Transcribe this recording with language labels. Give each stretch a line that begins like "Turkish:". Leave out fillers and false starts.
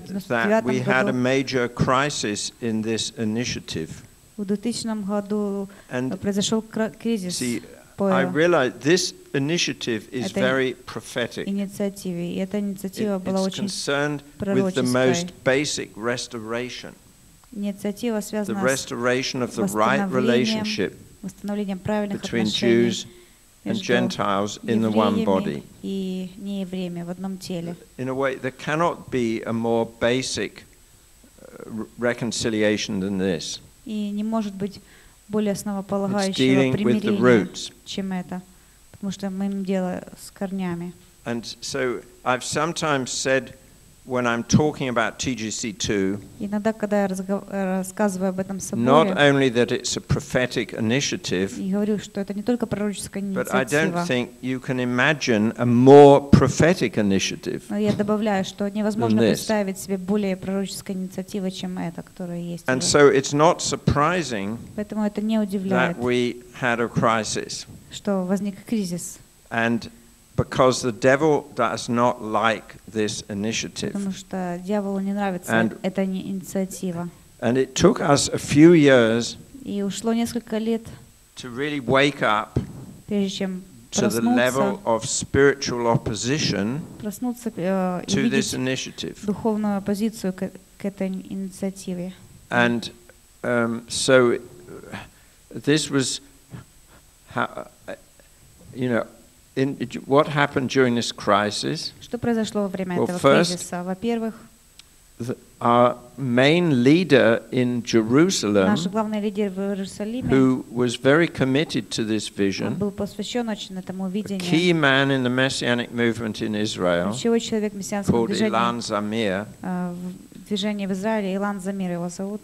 English: that we had a major crisis in this initiative.
Russian: В 2000 году произошел кризис.
English: I realize this initiative is very prophetic.
Russian: Инициатива, и эта инициатива была очень пророческой.
English: With the most basic restoration.
Russian: Инициатива связана с
English: the restoration of the right relationship
Russian: восстановлением правильных
English: between Jews and Gentiles in the one body.
Russian: И неевреями в одном теле.
English: In a way, there cannot be a more basic reconciliation than this.
Russian: И не может быть более основополагающего примирения, чем это, потому что мы имеем дело с корнями.
English: And so I've sometimes said when I'm talking about TGC 2,
Russian: иногда когда я рассказываю об этом соборе,
English: not only that it's a prophetic initiative,
Russian: и говорю, что это не только пророческая инициатива,
English: but I don't think you can imagine a more prophetic initiative.
Russian: Но я добавляю, что невозможно представить себе более пророческой инициативы, чем эта, которая есть.
English: And so it's not surprising,
Russian: поэтому это не удивляет,
English: that we had a crisis,
Russian: что возник кризис.
English: And because the devil does not like this initiative.
Russian: Потому что дьяволу не нравится эта инициатива.
English: And it took us a few years.
Russian: И ушло несколько лет.
English: To really wake up.
Russian: Прежде чем
English: to the level of spiritual opposition.
Russian: Проснуться
English: to this initiative.
Russian: Духовную оппозицию к этой инициативе.
English: And so this was what happened during this crisis?
Russian: Что произошло во время этого кризиса? Во-первых,
English: our main leader in Jerusalem,
Russian: наш главный лидер в Иерусалиме,
English: who was very committed to this vision,
Russian: он был посвящен очень этому видению,
English: a key man in the Messianic movement in Israel,
Russian: ключевой человек в мессианском движении,
English: called Ilan Zamir,
Russian: в движении в Израиле, Илан Замир его зовут.